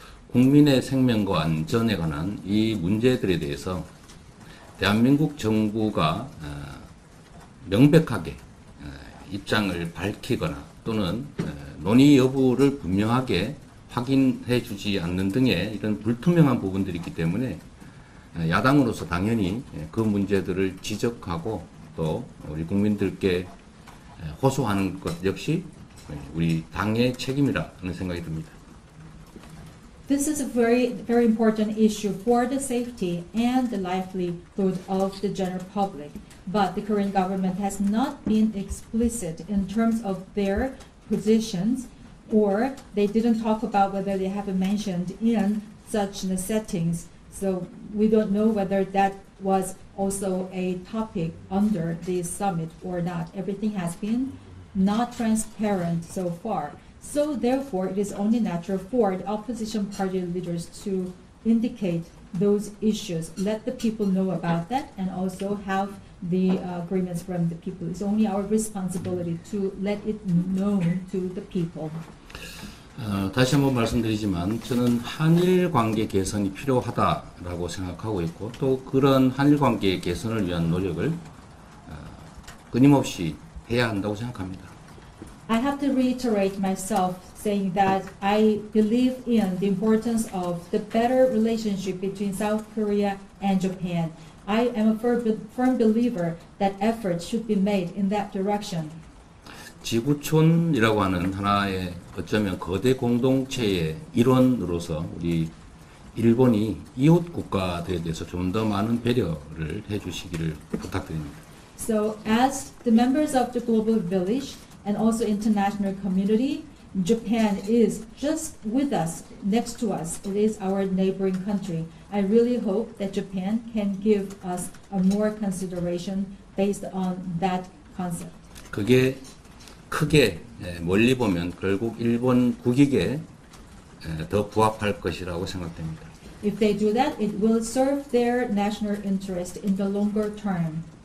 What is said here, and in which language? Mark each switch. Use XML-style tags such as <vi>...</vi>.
<ko>국민의 생명과 안전에 관한 이 문제들에 대해서 대한민국 정부가 명백하게 입장을 밝히거나 또는 논의 여부를 분명하게 확인해 주지 않는 등의 이런 불투명한 부분들이 있기 때문에 야당으로서 당연히 그 문제들을 지적하고 또 우리 국민들께 호소하는 것 역시 우리 당의 책임이라는 생각이 듭니다.</ko> <en>This is a very, very important issue for the safety and the livelihood of the general public. But the Korean government has not been explicit in terms of their positions, or they didn't talk about whether they have mentioned in such settings. So we don't know whether that was also a topic under this summit or not. Everything has been not transparent so far. So therefore, it is only natural for the opposition party leaders to indicate those issues, let the people know about that, and also have the agreements from the people. It's only our responsibility to let it known to the people.</en> <ko>다시 한번 말씀드리지만 저는 한일 관계 개선이 필요하다라고 생각하고 있고 또 그런 한일 관계 개선을 위한 노력을 끊임없이 해야 한다고 생각합니다.</ko> <en>I have to reiterate myself saying that I believe in the importance of the better relationship between South Korea and Japan. I am a firm believer that efforts should be made in that direction.</en> <ko>지구촌이라고 하는 하나의 어쩌면 거대 공동체의 일원으로서 우리 일본이 이웃 국가들에 대해서 좀 더 많은 배려를 해 주시기를 부탁드립니다.</ko> <en>So as the members of the Global Village and also international community, Japan is just with us, next to us. It is our neighboring country. I really hope that Japan can give us a more consideration based on that concept.</en> <ko>그게 크게 멀리 보면 결국 일본 국익에 더 부합할 것이라고 생각됩니다.</ko> <en>If they do that, it will serve their national interest in the longer term.</en>